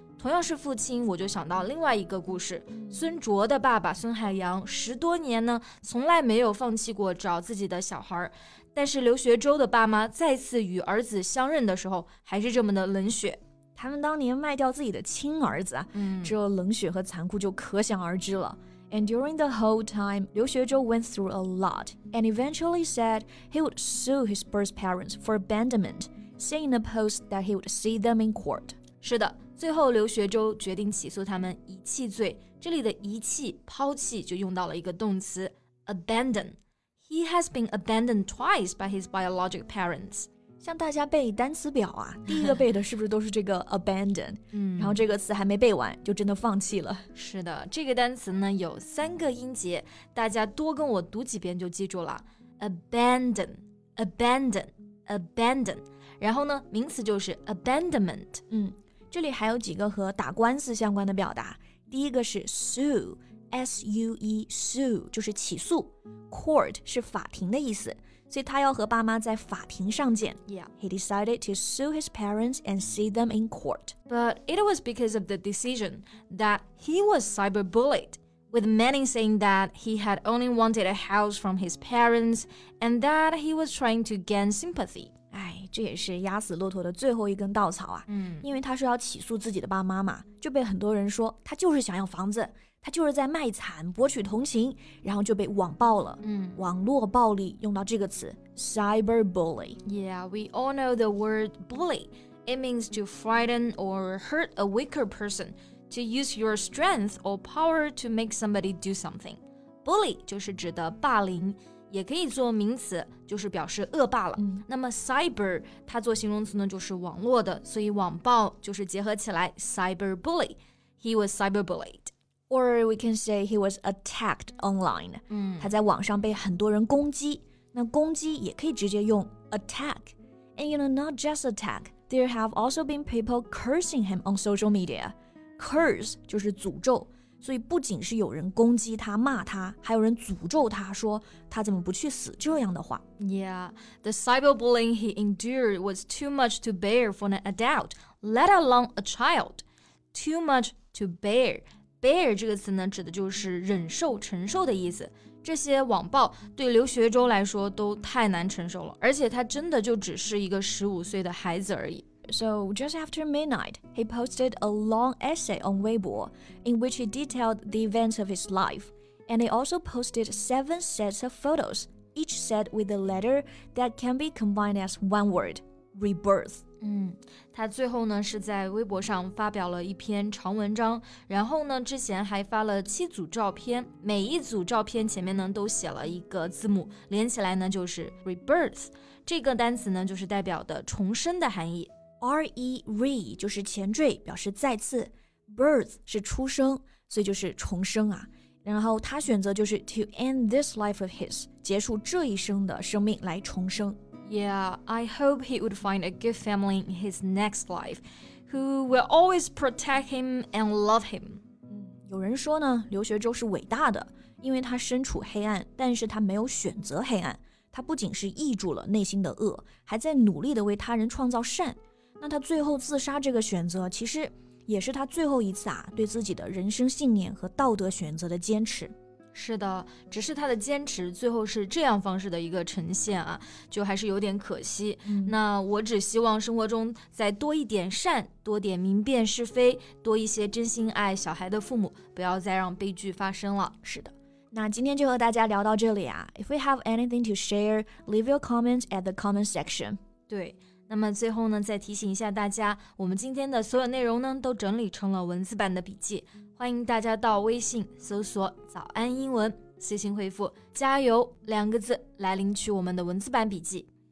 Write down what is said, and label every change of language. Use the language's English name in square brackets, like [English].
[Chinese] 同样是父亲，我就想到另外一个故事，孙卓的爸爸孙海洋，十多年呢，从来没有放弃过找自己的小孩。但是刘学周的爸妈再次与儿子相认的时候，还是这么的冷血。他们当年卖掉自己的亲儿子，这冷血和残酷就可想而知了。 [English] And during the whole time, 刘学周 went through a lot, and eventually said he would sue his birth parents for abandonment, saying in a post that he would see them in court. [Chinese] 是的。最后刘学周决定起诉他们遗弃罪，这里的遗弃抛弃就用到了一个动词 abandon. [English] He has been abandoned twice by his biologic parents. [Chinese] 像大家背单词表啊，第一个背的是不是都是这个 abandon? 然后这个词还没背完就真的放弃了。是的，这个单词呢有三个音节，大家多跟我读几遍就记住了。 [English] Abandon, abandon, abandon. [Chinese] 然后呢名词就是 abandonment. 这里还有几个和打官司相关的表达，第一个是 sue, 就是起诉， court 是法庭的意思，所以他要和爸妈在法庭上见。 [English] Yeah. He decided to sue his parents and see them in court. But it was because of the decision that he was cyberbullied, with many saying that he had only wanted a house from his parents and that he was trying to gain sympathy. [Chinese] 这也是压死骆驼的最后一根稻草啊，因为他说要起诉自己的爸妈嘛，就被很多人说他就是想要房子，他就是在卖惨博取同情，然后就被网暴了，网络暴力用到这个词 cyberbully. [English] Yeah, we all know the word bully. It means to frighten or hurt a weaker person, to use your strength or power to make somebody do something. [Chinese] Bully 就是指的霸凌，也可以做名词，就是表示恶霸了。那么 cyber 它做形容词呢，就是网络的，所以网暴就是结合起来 cyberbully. [English] He was cyberbullied. Or we can say he was attacked online. [Chinese] 他在网上被很多人攻击，那攻击也可以直接用 attack. [English] And you know, not just attack, there have also been people cursing him on social media. [Chinese] Curse 就是诅咒，所以不仅是有人攻击他骂他，还有人诅咒他，说他怎么不去死这样的话。 [English] Yeah, the cyberbullying he endured was too much to bear for an adult, let alone a child. Too much to bear [Chinese] 这个词呢指的就是忍受承受的意思，这些网暴对刘学周来说都太难承受了，而且他真的就只是一个15岁的孩子而已。 [English] So just after midnight, he posted a long essay on Weibo in which he detailed the events of his life. And he also posted 7 sets of photos, each set with a letter that can be combined as one word, rebirth. [Chinese] 他最后呢是在微博上发表了一篇长文章，然后呢之前还发了7组照片，每一组照片前面呢都写了一个字母，连起来呢就是 rebirth. 这个单词呢就是代表的重生的含义。 re 就是前缀，表示再次 birth 是出生，所以就是重生啊。然后他选择就是 [English] to end this life of his [Chinese] 结束这一生的生命来重生。 [English] Yeah, I hope he would find a good family in his next life who will always protect him and love him. [Chinese] 有人说呢刘学周是伟大的，因为他身处黑暗，但是他没有选择黑暗，他不仅是抑制了内心的恶，还在努力地为他人创造善。那他最后自杀这个选择其实也是他最后一次啊对自己的人生信念和道德选择的坚持。是的，只是他的坚持最后是这样方式的一个呈现啊，就还是有点可惜。那我只希望生活中再多一点善，多点明辨是非，多一些真心爱小孩的父母，不要再让悲剧发生了。是的，那今天就和大家聊到这里啊。 [English] If we have anything to share, leave your comments at the comment section. [Chinese] 对，那么最后呢再提醒一下大家，我们今天的所有内容呢都整理成了文字版的笔记，欢迎大家到微信搜索早安英文，私信回复加油两个字来领取我们的文字版笔记。